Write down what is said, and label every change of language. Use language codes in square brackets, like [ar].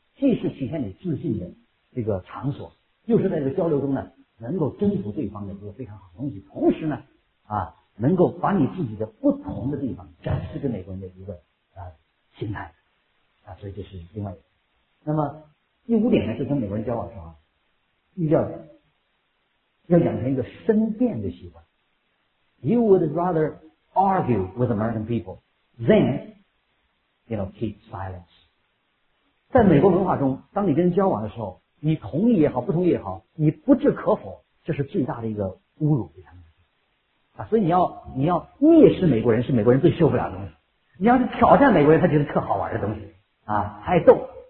[zh] 既是体现你自信的这个场所，又是在这个交流中呢能够征服对方的一个非常好的东西，同时呢啊能够把你自己的不同的地方展示给美国人的一个心态啊，所以这是另外一个。那么第五点呢，就跟美国人交往的时候一定要养成一个申辩的习惯。 [en] You would rather argue with American people than you know keep silence。 [zh] 在美国文化中，当你跟人交往的时候，你同意也好，不同意也好，你不置可否，这是最大的一个侮辱给他们啊！所以你要蔑视美国人，是美国人最受不了的东西。你要是挑战美国人，他觉得特好玩的东西啊，还逗。